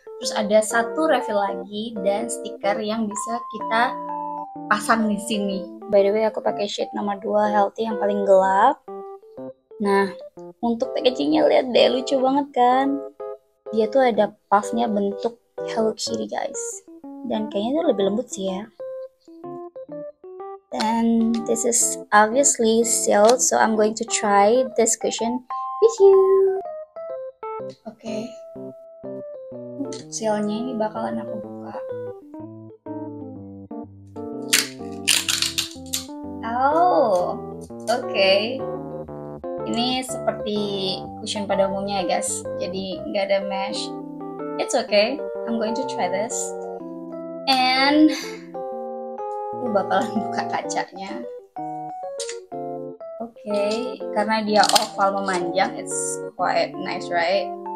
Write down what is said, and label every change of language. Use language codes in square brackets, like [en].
[id] Terus ada satu refill lagi dan stiker yang bisa kita pasang di sini. [en] By the way, [id] aku pakai sheet nomor 2 healthy yang paling gelap. Nah, untuk packagingnya lihat deh, lucu banget kan? Dia tuh ada puffnya bentuk Hello Kitty guys. Dan kayaknya dia lebih lembut sih ya. [en] Then this is obviously sealed, so I'm going to try this cushion with you. Okay. [id] Sealnya ini bakalan aku buka. Oh, okay. Ini seperti cushion pada umumnya ya guys. Jadi nggak ada mesh. [en] It's okay. I'm going to try this. [id] And aku bakalan buka kacanya. Okay, karena dia oval memanjang, [en] it's quite nice, right?